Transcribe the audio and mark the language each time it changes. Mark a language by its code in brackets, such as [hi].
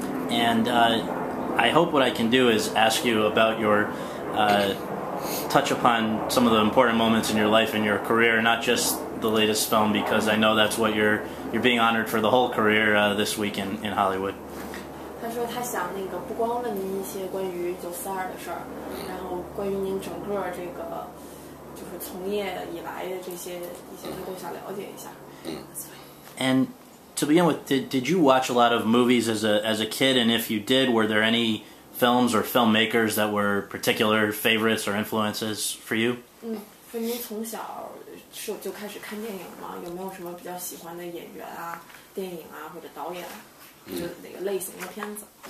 [en] And I hope what I can do is ask you about your touch upon some of the important moments in your life and your career, not just the latest film, because I know that's what you're being honored for the whole career this week in Hollywood. [zh] 他说他想那个不光问你一些关于九四二的事儿，然后关于您整个这个就是从业以来的这些一些都想了解一下。And [en] to begin with, did you watch a lot of movies as a kid? And if you did, were there any films or filmmakers that were particular favorites or influences for you? [zh] 嗯，说您从小是就开始看电影吗？有没有什么比较喜欢的演员啊、电影啊或者导演，就哪个类型的片子？